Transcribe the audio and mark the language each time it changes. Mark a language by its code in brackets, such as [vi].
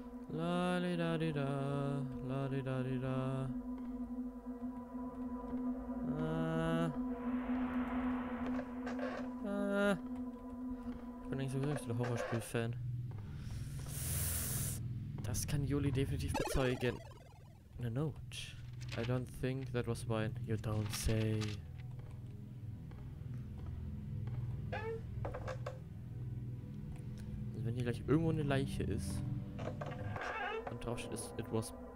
[de] La-di-da-di-da, la-di-da-di-da. Ich bin eigentlich sowieso nicht so der Horrorspiel-Fan. Das kann Juli definitiv bezeugen. [en] In a note. I don't think that was wine. You don't say. [de] Also wenn hier gleich irgendwo eine Leiche ist. Und drauf steht, [en] it was.